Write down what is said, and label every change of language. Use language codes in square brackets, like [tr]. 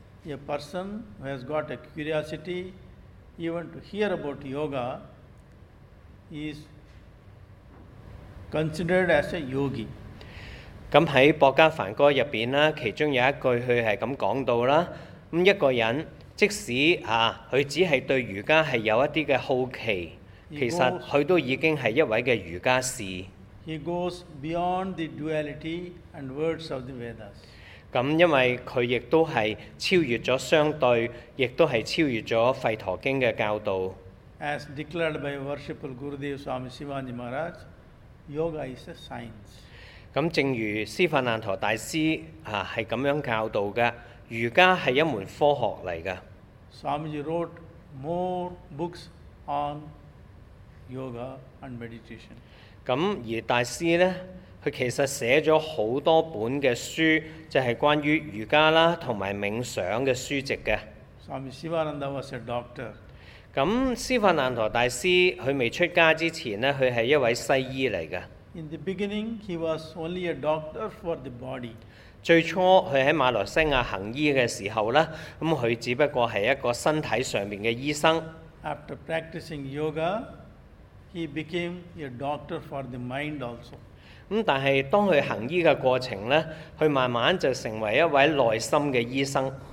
[en] A person who has got a curiosity even to hear about yoga is considered as a yogi. [yue] 咁喺《博家梵歌》入邊啦，其中有一句佢係咁講到啦。咁一個人即使啊，佢只係對瑜伽係有一啲嘅好奇，其實佢都已經係一位嘅瑜伽士。 [en] He goes beyond the duality and words of the Vedas. [yue] 咁因為佢亦都係超越咗相對，亦都係超越咗《吠陀經》嘅教導。 [en] As declared by worshipful Gurudev Swami Sivaji Maharaj, yoga is a science. [yue] 咁正如師範難陀大師啊係咁樣教導嘅，瑜伽係一門科學嚟嘅。 [en] Swamiji wrote more books on yoga and meditation. [yue] 咁而大師咧，佢其實寫咗好多本嘅書，就係關於瑜伽啦同埋冥想嘅書籍嘅。 [en] Swami Sivananda was a doctor. [yue] 咁師範難陀大師佢未出家之前咧，佢係一位西醫嚟嘅。 [en] In the beginning, he was only a doctor for the body. [yue] 最初佢喺馬來西亞行醫嘅時候咧，咁佢只不過係一個身體上面嘅醫生。 [en] After practicing yoga, he became a doctor for the mind also. [yue] 咁但係當佢行醫嘅過程咧，佢慢慢就成為一位內心嘅醫生。